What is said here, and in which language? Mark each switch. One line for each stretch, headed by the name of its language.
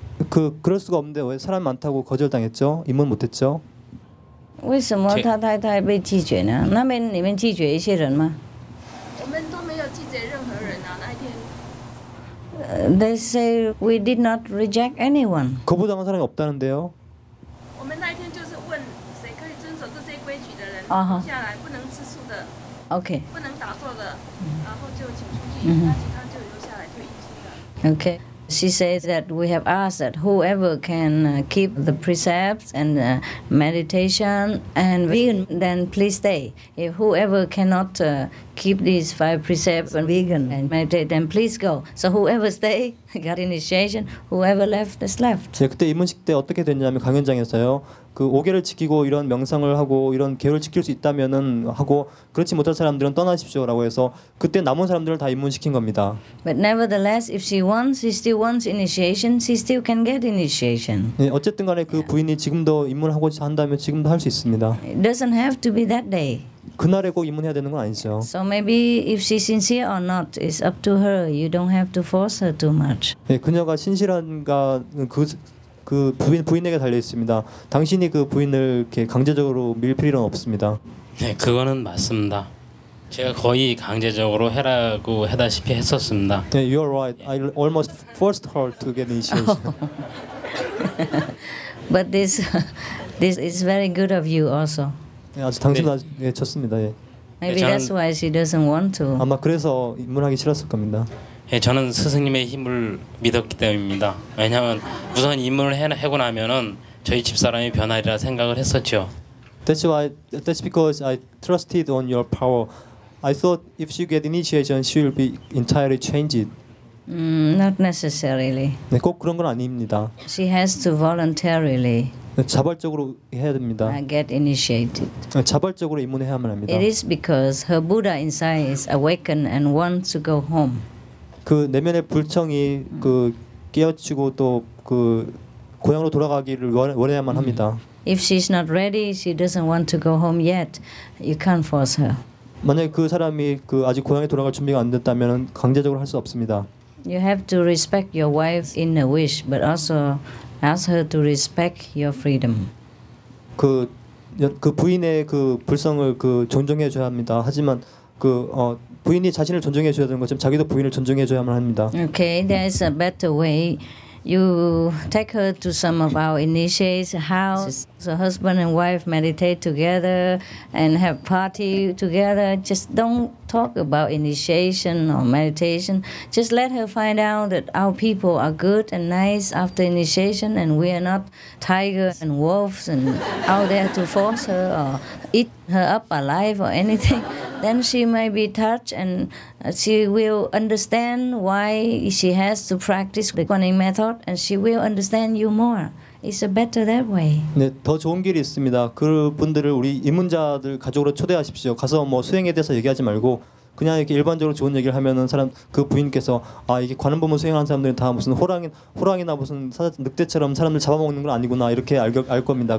Korean: 그럴 수가 없는데 왜 사람 많다고 거절당했죠? 입문 못했죠?
Chinese: 为什么他太太被拒绝呢？那边你们拒绝一些人吗？我们都没有拒绝任何人啊，那天。
English: They say we did not reject anyone.
Korean: 거부당한 사람이 없다는데요?
Chinese: 我们那天就是问谁可以遵守这些规矩的人。
English: Okay. Mm-hmm. Okay. She says that we have asked that whoever can keep the precepts and meditation and vegan, then please stay. If whoever cannot keep these five precepts and vegan and meditate, then please go. So whoever stay got initiation. Whoever left, is left.
Korean: 네, 그때 입문식 때 어떻게 됐냐면 강연장에서요. 그 5계를 지키고 이런 명상을 하고 이런 계를 지킬 수 있다면은 하고 그렇지 못할 사람들은 떠나십시오라고 해서 그때 남은 사람들을 다 입문시킨 겁니다.
English: But nevertheless, if she wants, she still wants initiation. She still can get initiation.
Korean: 네, 어쨌든 간에 그 부인이 지금도 입문하고자 한다면 지금도 할 수 있습니다.
English: It doesn't have to be that day.
Korean: 그날에 꼭 입문해야 되는 건 아니죠.
English: So maybe if she's sincere or not, it's up to her. You don't have to force her too much.
Korean: 네, 그녀가 신실한가 그 부인에게 달려 있습니다. 당신이 그 부인을 이렇게 강제적으로 밀 필요는 없습니다. 네, 그거는 맞습니다. 제가 거의 강제적으로 해라고 하다시피 했었습니다.
English: 네, you are right. I almost forced her to get initiation. But this is very good of you also.
Korean: 네, 아주 당신도 아주 네, 좋습니다. 예.
English: Maybe that's why she doesn't want to.
Korean: 아마 그래서 입문하기 싫었을 겁니다. 예, 저는 스승님의 힘을 믿었기 때문입니다. 왜냐하면 우선 입문을 하고 나면은 저희 집사람이 변하리라 생각을 했었죠.
English: That's because I trusted on your power. I thought if she get initiation, she will be entirely changed. Not necessarily.
Korean: 네, 꼭 그런 건 아닙니다.
English: She has to voluntarily.
Korean: 자발적으로 해야 됩니다.
English: Get initiated.
Korean: 자발적으로 입문해야만 합니다.
English: It is because her Buddha inside is awakened and wants to go home.
Korean: 그 내면의 불청이 그 깨어지고 또 그 고향으로 돌아가기를 원해야만 합니다.
English: If she's not ready, she doesn't want to go home yet. You can't force her.
Korean: 만약 그 사람이 그 아직 고향에 돌아갈 준비가 안 됐다면 강제적으로 할 수 없습니다.
English: You have to respect your wife's inner wish, but also ask her to respect your freedom.
Korean: 그 부인의 그 불성을 그 존중해 줘야 합니다. 하지만 그 부인이 자신을 존중해 줘야 되는 것처럼 자기도 부인을 존중해 줘야만 합니다.
English: Okay, there is a better way. You take her to some of our initiates' house. So husband and wife meditate together and have party together. Just don't talk about initiation or meditation. Just let her find out that our people are good and nice after initiation, and we are not tigers and wolves and out there to force her or eat her up alive or anything. Then she may be touched and she will understand why she has to practice the Kuan Yin method, and she will understand you more. It's a better that way.
Korean: 네, 더 좋은 길이 있습니다. 그분들을 우리 입문자들 가족으로 초대하십시오. 가서 뭐 수행에 대해서 얘기하지 말고 그냥 이렇게 일반적으로 좋은 얘기를 하면은 사람 그 부인께서 아 이게 관음법문 수행하는 사람들이 다 무슨 호랑이나 무슨 늑대처럼 사람들 잡아먹는 건 아니구나 이렇게 알 겁니다.